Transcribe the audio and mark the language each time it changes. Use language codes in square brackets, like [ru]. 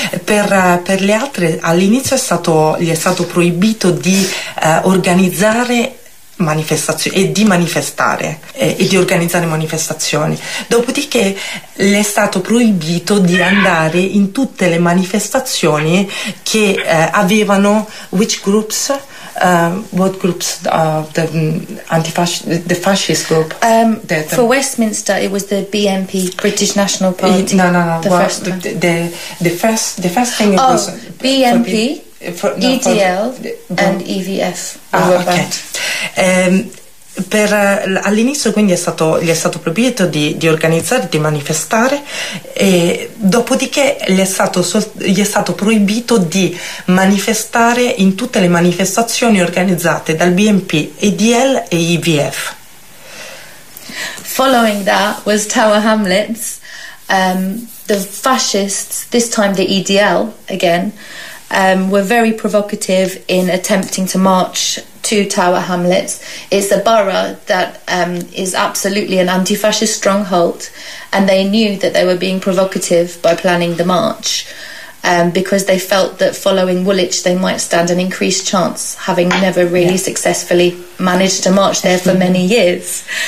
[it] Per le altre all'inizio gli è stato proibito di organizzare manifestazioni e di manifestare e di organizzare manifestazioni, dopodiché le è stato proibito di andare in tutte le manifestazioni che avevano [en] which groups what groups the fascist group for Westminster it was the BNP British National Party the first thing oh, it was BNP EDL and EVF. [it] All'inizio quindi gli è stato proibito di organizzare, di manifestare, e dopodiché gli è stato proibito di manifestare in tutte le manifestazioni organizzate dal BNP, EDL e EVF. [en] Following that was Tower Hamlets. The fascists, this time the EDL again, were very provocative in attempting to march to Tower Hamlets. It's a borough that is absolutely an anti-fascist stronghold, and they knew that they were being provocative by planning the march because they felt that following Woolwich they might stand an increased chance, having never really successfully managed to march there for many years.